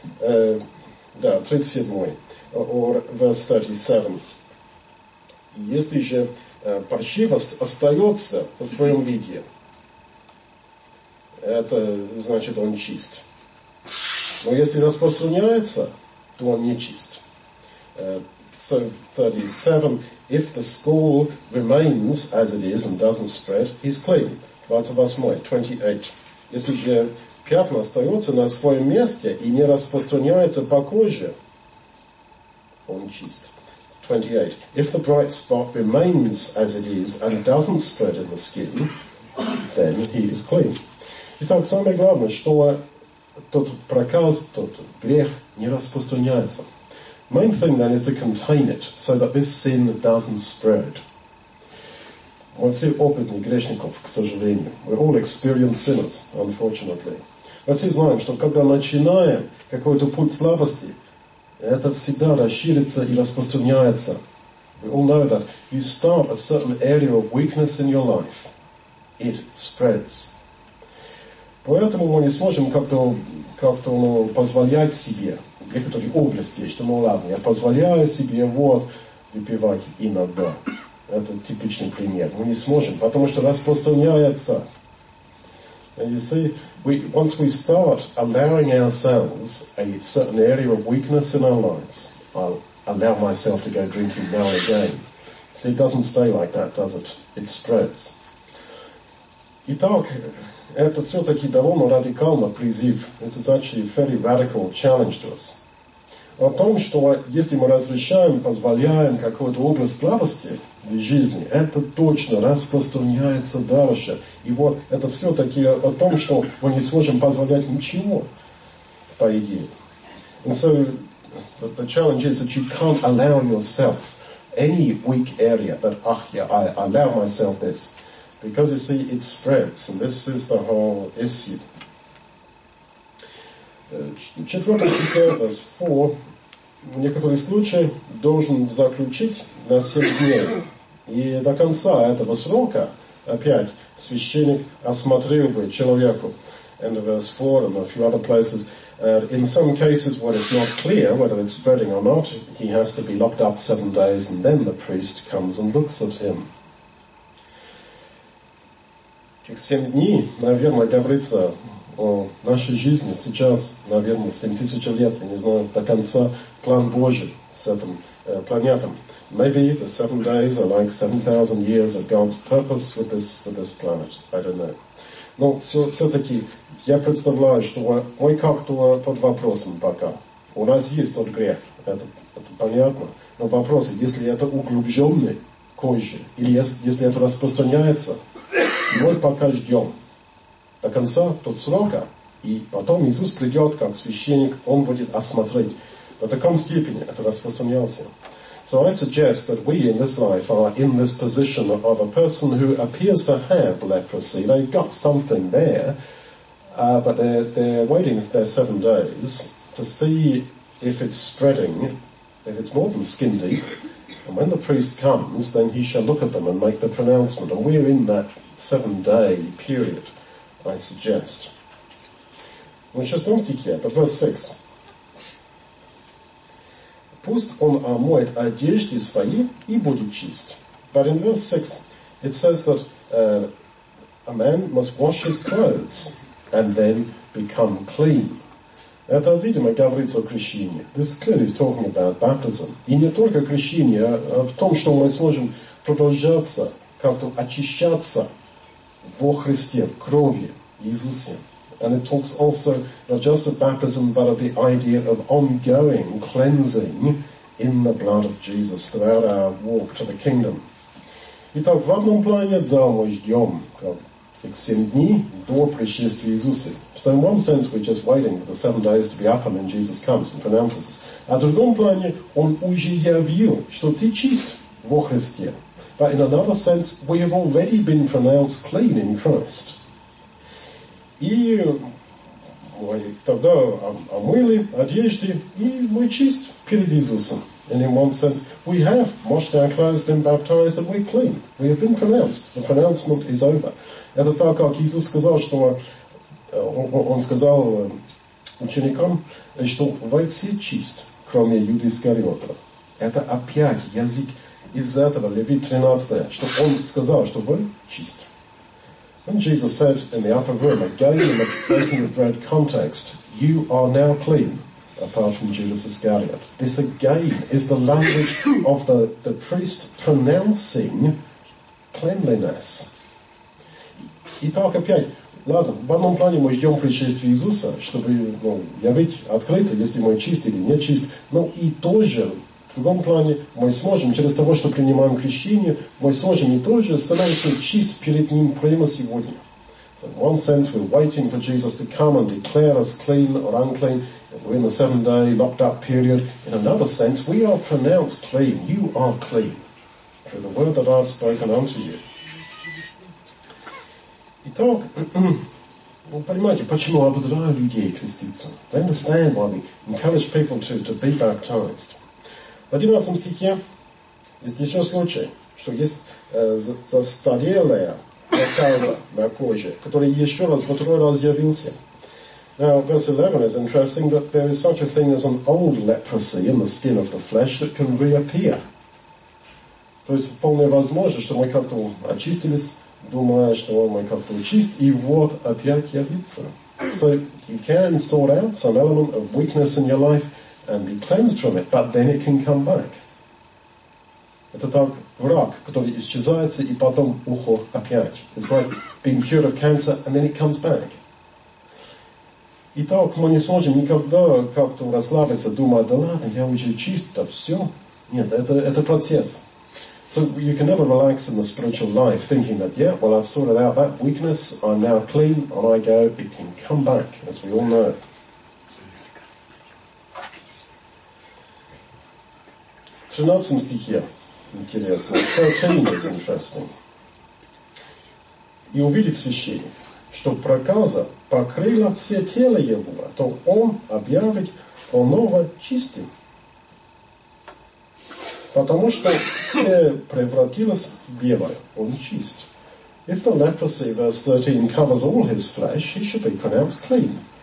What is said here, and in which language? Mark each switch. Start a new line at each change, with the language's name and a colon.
Russian: Да,
English: 37. Or verse 37.
Russian: Если же паршивость остается в своем виде, это значит, он чист. Но если распространяется, то он не чист.
English: So 37, if the scall remains as it is and doesn't spread, he's clean. 28.
Russian: Если же пятна остается на своем месте и не распространяется по коже, он чист. 28.
English: If the bright spot remains as it is and doesn't spread in the skin, then he is clean.
Russian: Итак, самое главное, что тот проказ, тот грех не распространяется.
English: Main thing then is to contain it, so that this sin doesn't spread.
Russian: Мы все опытные грешников, к сожалению.
English: We all experience sinners, unfortunately.
Russian: Мы все знаем, что когда начинаем какой-то путь слабости, это всегда расширится и распространяется.
English: We all know that. You start a certain area of weakness in your life, it spreads.
Russian: Поэтому мы не сможем как-то позволять себе некоторые области, что, мол, ладно, я позволяю себе вот выпивать иногда. Это типичный пример. Мы не сможем, потому что распространяется.
English: And you see, once we start allowing ourselves a certain area of weakness in our lives, I'll allow myself to go drinking now again. See, it doesn't stay like that, does it? It spreads.
Russian: Итак, это все-таки довольно радикальный призыв.
English: This is actually a very radical challenge to us.
Russian: О том, что если мы разрешаем, позволяем какой-то образ слабости в жизни, это точно распространяется дальше. И вот это все-таки о том, что мы не сможем позволять ничего, по идее.
English: And so the challenge is that you can't allow yourself any weak area that, ах, yeah, I allow myself this. Because, you see, it spreads. And this is the whole issue.
Russian: Четвертый стих,
English: verse 4.
Russian: В некоторые случаи должен заключить на 7 дней. И до конца этого срока опять священник осмотрел бы человеку.
English: And verse 4 and a few other places. In some cases, when it's not clear whether it's spreading or not, he has to be locked up 7 days, and then the priest comes and looks at him.
Russian: Тех 7 дней, наверное, говорится о нашей жизни сейчас, наверное, 7000 лет, я не знаю, до конца план Божий с этим планетом.
English: Maybe the 7 days are like 7,000 years of God's purpose with this planet. I don't know.
Russian: Но все-таки я представляю, что мы как-то под вопросом пока. У нас есть тот грех, это понятно. Но вопрос, если это углубленный кожи, или если это распространяется, мы пока ждем до конца тот срока, и потом Иисус придет как священник, он будет осмотреть. В таком степени это распространялся.
English: So I suggest that we in this life are in this position of a person who appears to have leprosy. They've got something there, but they're waiting their 7 days to see if it's spreading, if it's more than skin deep. And when the priest comes, then he shall look at them and make the pronouncement. And we're in that 7 day period, I suggest.
Russian: Ну, шестом стихе,
English: but verse 6.
Russian: Пусть он омоет одежды свои и будет чист.
English: But in verse 6, it says that a man must wash his clothes and then become clean.
Russian: Это, видимо, говорится о крещении.
English: This clearly is talking about baptism.
Russian: И не только крещение, а в том, что мы сможем продолжаться, как-то очищаться во Христе, в крови Иисусе.
English: And it talks also not just of baptism, but of the idea of ongoing cleansing in the blood of Jesus throughout our walk to the kingdom.
Russian: Итак, в одном плане, да, мы ждем, как 7 дней до пришествия Иисуса.
English: So in one sense, we're just waiting for the 7 days to be up, and then Jesus comes and pronounces us.
Russian: А в другом плане, он уже явил, что ты чист во Христе.
English: But in another sense, we have already been pronounced clean in Christ.
Russian: И мы тогда омыли одежды, и мы чист перед Иисусом.
English: And in one sense, we have washed our clothes, been baptized, and we're clean. We have been pronounced. The pronouncement is over.
Russian: Это так, как Иисус сказал, что он сказал ученикам, что вы все чист, кроме Юды Искариота. Это опять язык из этого, Левит 13, что он сказал, что вы чист.
English: When Jesus said in the upper room, again in the breaking of bread context, you are now clean, apart from Judas Iscariot. This again is the language of the priest pronouncing cleanliness.
Russian: Итак, опять, ладно, в одном плане мы ждем пришествия Иисуса, чтобы явить открыто, если мы чисты или не чисты. Но и тоже, в другом плане, мы сможем, через того, что принимаем крещение, мы сможем и тоже становиться чист перед Ним прямо сегодня.
English: So in one sense, we're waiting for Jesus to come and declare us clean or unclean. We're in the 7-day locked up period. In another sense, we are pronounced clean. You are clean through the word that I've spoken unto you.
Russian: Итак, вы понимаете, почему ободряю людей креститься?
English: To understand why we encourage people to be baptized.
Russian: В 11 стихе есть еще случай, что есть застарелая проказа на коже, который еще раз, во второй раз явился.
English: Now, verse 11 is interesting, that there is such a thing as an old leprosy in the skin of the flesh that can reappear.
Russian: То есть вполне возможно, что мы как-то очистились, думая, что мы как-то чист, и вот опять явится.
English: So you can sort out some element of weakness in your life and be cleansed from it, but then it can come back.
Russian: Это так, рак, который исчезается, и потом ухо опять.
English: It's like being cured of cancer, and then it comes back.
Russian: Итак, мы не сможем никогда как-то расслабиться, думая, да ладно, я уже чист, да все. Нет, это процесс.
English: So you can never relax in the spiritual life, thinking that, yeah, well, I've sorted out that weakness, I'm now clean, on I go, it can come back, as we all know.
Russian: Интересно.
English: 13 is interesting.
Russian: И увидит священник, что проказа покрыла все тело его, то он объявит оного чистым. Потому что все превратилось в белое. Он чист.
English: If the leprosy, verse 13, covers all his flesh, he should be pronounced clean.